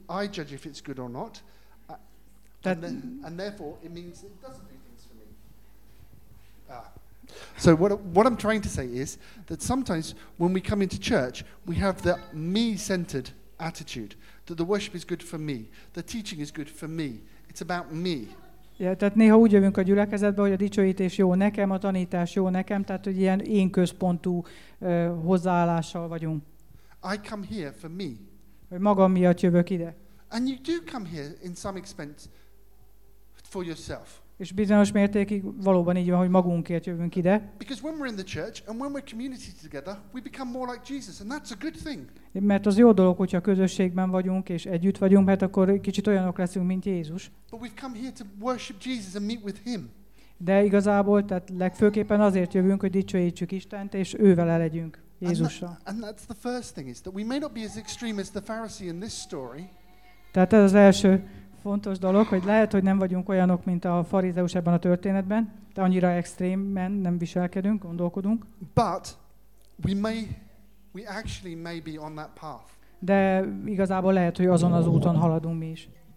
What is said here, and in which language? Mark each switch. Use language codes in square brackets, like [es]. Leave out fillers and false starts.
[en] I judge if it's good or not. And therefore, it means it doesn't do things for me. So what I'm trying to say is that sometimes when we come into church, we have the me-centered attitude, that the worship is good for me, the teaching is good for me, it's about me. [hu] Yeah, tehát néha úgy jövünk a gyülekezetbe, hogy a dicsőítés jó nekem, a tanítás jó nekem, tehát hogy ilyen én központú hozzáállással vagyunk. [en] I come here for me. [hu] Hogy magam miatt jövök ide. [en] And you do come here in some expense for yourself. [hu] És bizonyos mértékig valóban így van, hogy magunkért jövünk ide. [en] Because when we're in the church and when we're community together, we become more like Jesus, and that's a good thing. [hu] Mert az jó dolog, hogyha közösségben vagyunk és együtt vagyunk, mert akkor kicsit olyanok leszünk, mint Jézus. [en] But we've come here to worship Jesus and meet with him. [hu] De igazából, tehát legfőképpen azért jövünk, hogy dicsőítsük Istent és ővele legyünk, Jézussal. [en] And that's the first thing, is that we may not be as extreme as the Pharisee in this story. [hu] Tehát ez az első fontos dolog, hogy lehet, hogy nem vagyunk olyanok, mint a farizeus ebben a történetben, de annyira extrémen nem viselkedünk, gondolkodunk. [en] But we actually may be on that path. [hu] De igazából lehet, hogy azon az úton haladunk mi is.